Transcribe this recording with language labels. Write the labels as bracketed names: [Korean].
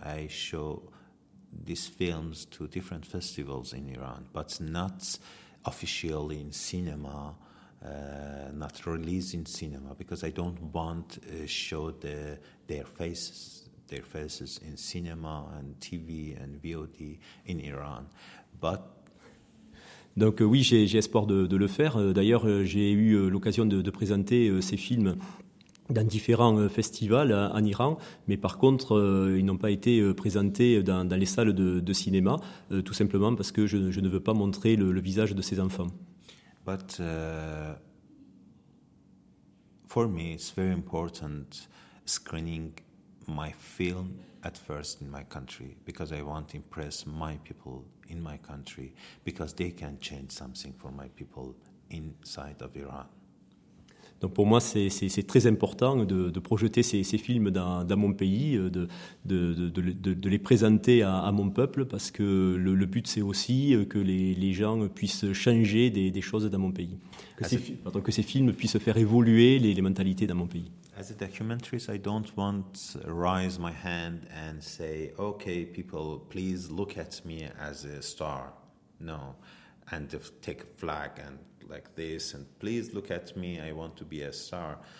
[English] I show these films to different festivals in Iran, but not officially in cinema, not released in cinema, because I don't want to show their faces in cinema and TV and VOD in Iran. But [French] donc oui, j'ai espoir de le faire. D'ailleurs, j'ai eu l'occasion de présenter ces films dans différents festivals en Iran, mais par contre, ils n'ont pas été présentés dans les salles de cinéma, tout simplement parce que je ne veux pas montrer le visage de ces enfants. [English] But for me, it's very important screening my film at first in my country, because I want to impress my people in my country, because they can change something for my people inside of Iran. [French] Donc pour moi, c'est très important de projeter ces films dans mon pays, de les présenter à mon peuple, parce que le but, c'est aussi que les gens puissent changer des choses dans mon pays, que ces films puissent faire évoluer les mentalités dans mon pays. [English] As a documentarist, I don't want to raise my hand and say, okay, people, please look at me as a star. No. And take a flag and like this, and please look at me, I want to be a star.